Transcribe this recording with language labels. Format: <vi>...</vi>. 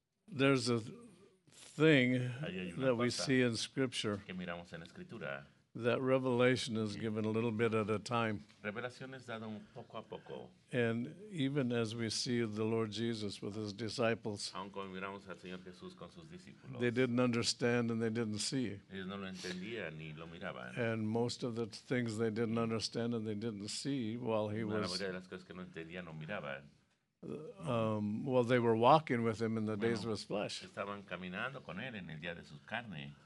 <en>there's a thing that we see in Scripture.</en> <es>Que miramos en Escritura.</es> <en>That revelation is given a little bit at a time.</en> <es>Revelación es dado un poco a poco.</es> <en>And even as we see the Lord Jesus with his disciples,</en> <es>aunque miramos al Señor Jesús con sus discípulos,</es> <en>they didn't understand and they didn't see.</en> <es>Ellos no lo entendían ni lo miraban.</es> <en>And most of the things they didn't understand and they didn't see while he was...</en> <es>La mayoría de las cosas que no entendían o miraban.</es> <en>Well, they were walking with him in the days of his flesh.</en> <es>Estaban caminando con él en el día de su carne.</es>